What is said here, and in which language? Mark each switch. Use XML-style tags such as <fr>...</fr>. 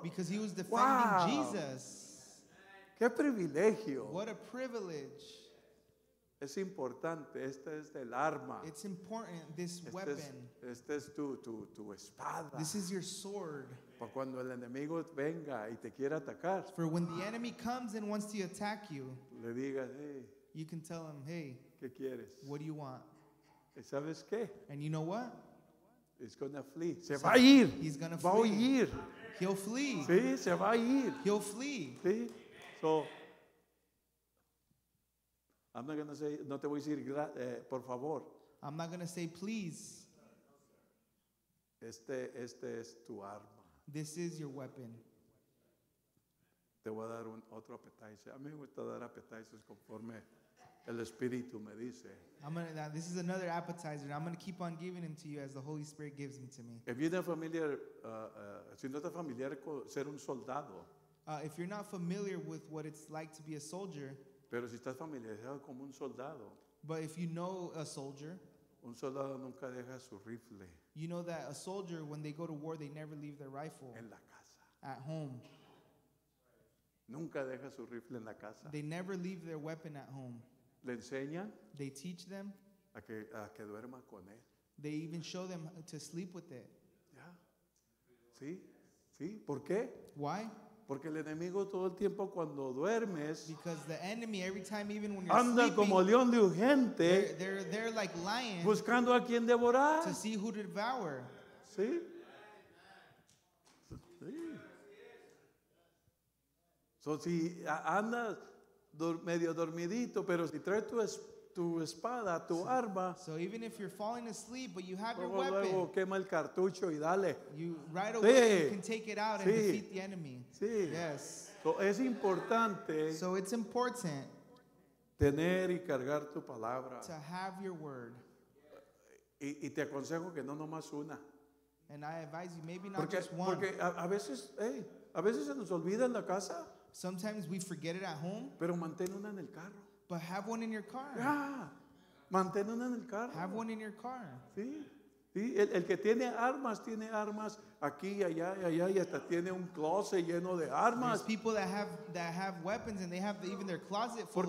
<en>Because he was defending wow. Jesus.</en> <es>Qué privilegio.</es> <en>What a privilege.</en> <es>Es importante, esta es el arma.</es> <en>It's important, this</en> <es>este</es> <en>weapon.</en> <es>Esta es tu espada.</es> <en>This is your sword.</en> <es>Para cuando el enemigo venga y te quiera atacar.</es> <en>For when the enemy comes and wants to attack you.</en> <es>Le digas, hey.</es> <en>You can tell him, hey.</en> <es>¿Qué quieres?</es> <en>What do you want?</en> <es>¿Y sabes qué?</es> <en>And you know what? He's going to flee.</en> <es>Se va a ir.</es> <en>He's going to flee.</en> <es>Va a ir.</es> <en>He'll flee.</en> <es>Sí, se va a ir.</es> <en>He'll flee.</en> <es>Sí. So,</es> <en>I'm not going to say,</en> <es>no te voy a decir, por favor.</es> <en>I'm not going to say, please.</en> <es>Este es tu arma.</es> <en>This is your weapon.</en> <es>Te voy a dar otro appetizer. A mí me gusta dar appetizers conforme el Espíritu me dice.</es> <en>This is another appetizer. I'm going to keep on giving them to you as the Holy Spirit gives them to me. If you're not familiar,</en> <es>si no estás familiar con ser un soldado.</es> <en>If you're not familiar with what it's like to be a soldier.</en> <es>Pero si estás familiarizado como un soldado.</es> <en>But if you know a soldier.</en> <es>Un soldado nunca deja su rifle.</es> <en>You know that a soldier, when they go to war, they never leave their rifle.</en> <es>En la casa.</es> <en>At home.</en> <es>Nunca deja su rifle en la casa.</es> <en>They never leave their weapon at home.</en> <es>Le enseñan.</es> <en>They teach them.</en> <es>A que duerma con él.</es> <en>They even show them to sleep with it.</en> <es>Yeah. Sí. Sí. ¿Por qué?</es> <en>Why?</en> <es>Porque el enemigo todo el tiempo cuando duermes.</es> <en>Because the enemy every time even when you're sleeping.</en> <es>Anda como león de urgente.</es> <en>They're like lions.</en> <es>Buscando a quien devorar.</es> <en>To see who to devour.</en> <es>Sí. Sí. So, si andas medio dormidito, pero si traes tu espada, tu arma.</es> <en>So, even if you're falling asleep, but you have your</en> <es>luego,</es> <en>weapon.</en> <es>Luego quema el cartucho y dale.</es> <en>You right away</en> <es>sí.</es> <en>You can take it out</en> <es>sí.</es> <en>And defeat the enemy.</en> <es>Sí.</es> <en>Yes.</en> <es>So, es importante.</es> <en>So, it's important.</en> <es>Tener y cargar tu palabra.</es> <en>To have your word.</en> <es>Y te aconsejo que no nomás una.</es> <en>And I advise you, maybe not</en> <es>porque,</es> <en>just one.</en> <es>Porque a veces, hey. A veces se nos olvida en la casa.</es> <en>Sometimes we forget it at home.</en> <es>Pero mantén una en el carro.</es> <en>But have one in your car.</en> <es>Yeah. Mantén una en el carro.</es> <en>Have one in your car.</en> <es>Sí. Sí. El que tiene armas aquí, allá, allá, y hasta tiene un closet lleno de armas.</es> <en>There's people that have weapons and they have even their closet full of weapons.</en>